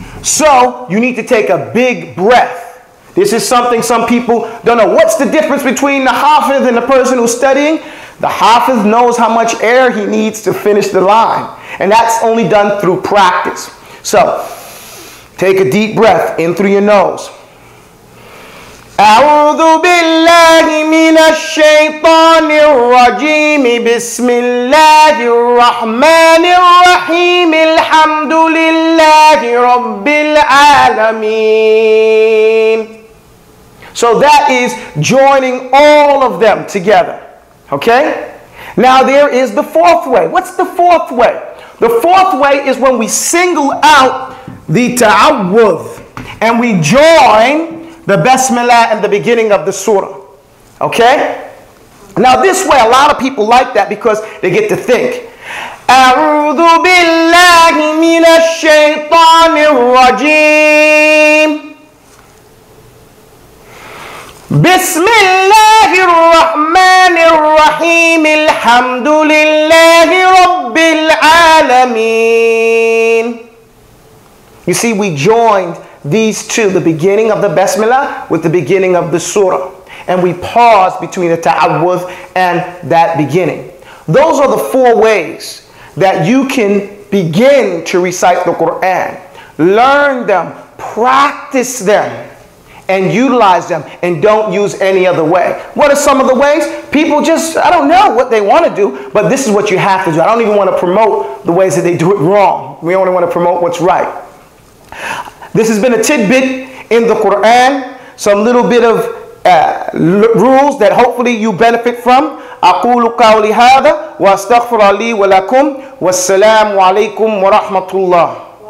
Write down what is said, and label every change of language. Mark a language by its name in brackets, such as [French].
[English] So you need to take a big breath. This is something some people don't know. What's the difference between the hafiz and the person who's studying? The hafiz knows how much air he needs to finish the line. And that's only done through practice. So take a deep breath in through your nose. [Arabic] أعوذ بالله من الشيطان الرجيم. بسم الله الرحمن الرحيم. الحمد لله رب العالمين. [English] So that is joining all of them together. Okay? Now there is the fourth way. What's the fourth way? The fourth way is when we single out the ta'awudh and we join the Bismillah and the beginning of the surah. Okay? Now this way, a lot of people like that because they get to think. [Arabic] أعوذ بالله من الشيطان الرجيم. بسم الله الرحمن الرحيم. الحمد لله رب العالمين. [English] You see, we joined these two, the beginning of the Bismillah with the beginning of the surah. And we pause between the ta'awudh and that beginning. Those are the four ways that you can begin to recite the Quran. Learn them, practice them, and utilize them, and don't use any other way. What are some of the ways? People just, I don't know what they want to do, but this is what you have to do. I don't even want to promote the ways that they do it wrong. We only want to promote what's right. This has been a tidbit in the Quran, some little bit of rules that hopefully you benefit from. [Arabic] أقول قولي هذا وأستغفر لي ولكم والسلام عليكم ورحمة الله.